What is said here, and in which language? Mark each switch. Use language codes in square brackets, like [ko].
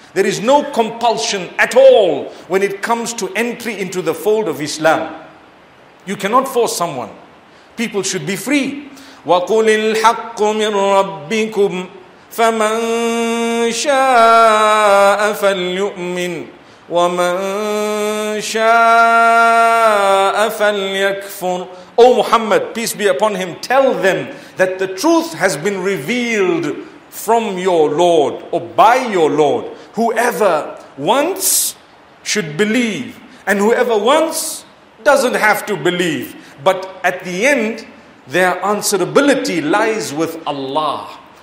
[en] There is no compulsion at all when it comes to entry into the fold of Islam. You cannot force someone. People should be free. [ar] وقل الحق من ربكم فمن شاء فليؤمن وَمَن شَاءَ فَلْيَكْفُرُ. [en] O Muhammad, peace be upon him, tell them that the truth has been revealed from your Lord or by your Lord. Whoever wants should believe, and whoever wants doesn't have to believe. But at the end, their answerability lies with Allah.